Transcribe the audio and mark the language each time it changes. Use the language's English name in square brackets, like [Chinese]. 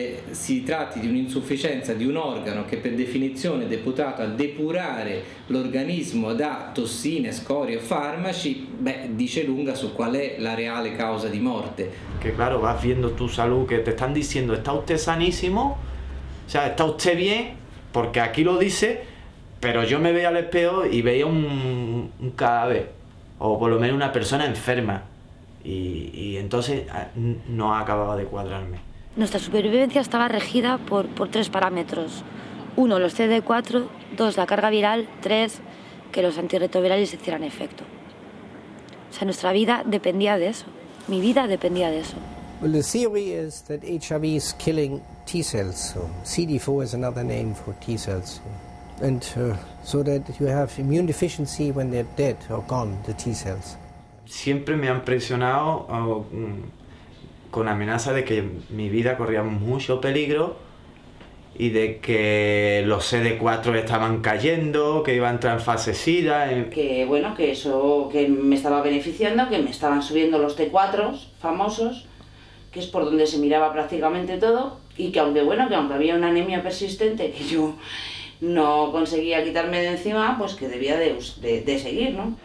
[Italian] si tratti di un'insufficienza di un organo che per definizione è deputato a depurare l'organismo da tossine, scorie o farmaci, beh, dice lunga su qual è la reale causa di morte. [Spanish] Che claro, vas viendo tu salud, che te están diciendo, está usted sanísimo, o sea, está usted bien, porque aquí lo dice, pero yo me veía al espejo y veía un cadáver, o por lo menos una persona enferma. Y entonces no acababa de cuadrarme. Nuestra supervivencia estaba regida por tres parámetros. Uno, los CD4, dos, la carga viral, tres, que los antirretrovirales hicieran efecto. O sea, nuestra vida dependía de eso. Mi vida dependía de eso. [English] Well, the theory is that HIV is killing T cells. So CD4 is another name for T cells. And so that you have immune deficiency when they're dead or gone, the T cells. [Spanish] Siempre me han presionado con amenaza de que mi vida corría mucho peligro y de que los CD4 estaban cayendo, que iba a entrar en fase SIDA. Que bueno, que eso que me estaba beneficiando, que me estaban subiendo los T4 famosos, que es por donde se miraba prácticamente todo, y que aunque bueno, que aunque había una anemia persistente que yo no conseguía quitarme de encima, pues que debía de seguir, ¿no?